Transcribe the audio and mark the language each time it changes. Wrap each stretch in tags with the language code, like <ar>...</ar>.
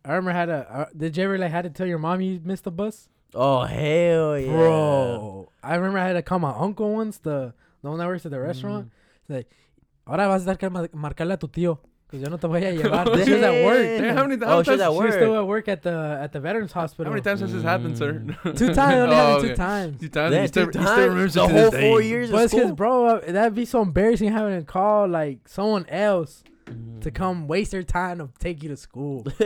<en>I remember did you ever like had to tell your mom you missed the bus? Oh hell yeah. Bro. I remember I had to call my uncle once, the one that works at the restaurant. Mm.</en> <es>Like, ahora vas a dar que marcarle a tu tío, cause yo no te voy a llevar.</es> <en>Oh, she's at work. She's still at work at the Veterans Hospital. How many times has this happened, sir? Two times. The whole 4 years. But it's because, bro, that'd be so embarrassing having to call like someone else to come waste their time to take you to school.</en>